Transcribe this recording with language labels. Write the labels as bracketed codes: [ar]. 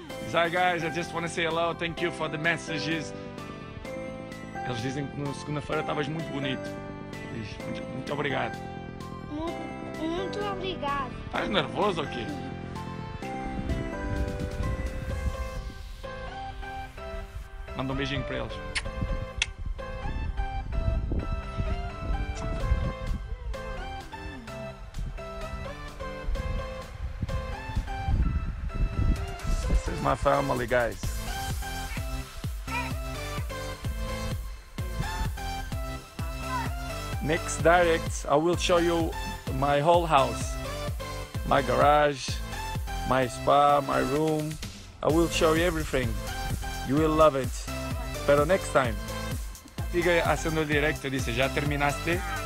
[en] Sorry, guys, I just want to say hello, thank you for the messages. [pt] Eles dizem que na segunda-feira estavas muito bonito. Diz, muito obrigado. Muito obrigado. Estás nervoso ou quê? Manda um beijinho para eles. [en] My family, guys. Next direct, I will show you my whole house, my garage, my spa, my room. I will show you everything. You will love it. Pero next time. [pt] Diga a sendo directo, disse, já terminaste?